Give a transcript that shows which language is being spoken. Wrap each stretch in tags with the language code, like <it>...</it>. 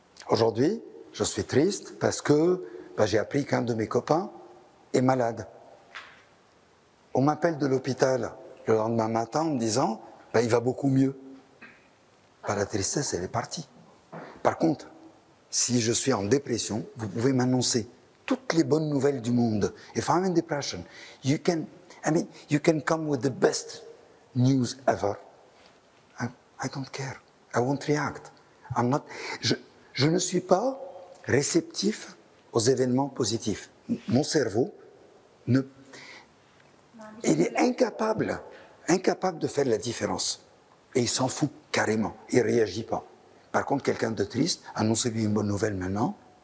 <fr>Aujourd'hui, je suis triste parce que j'ai appris qu'un de mes copains est malade. On m'appelle de l'hôpital le lendemain matin en me disant il va beaucoup mieux. La tristesse, elle est partie. Par contre, si je suis en dépression, vous pouvez m'annoncer toutes les bonnes nouvelles du monde.</fr> <en>If I'm in depression, you can come with the best news ever. I don't care. I won't react. I'm not.</en> <fr>Je ne suis pas réceptif aux événements positifs. Mon cerveau est incapable de faire la différence. Et il s'en fout carrément. Il réagit pas. Par contre, quelqu'un de triste, annoncez-lui une bonne nouvelle maintenant.</fr>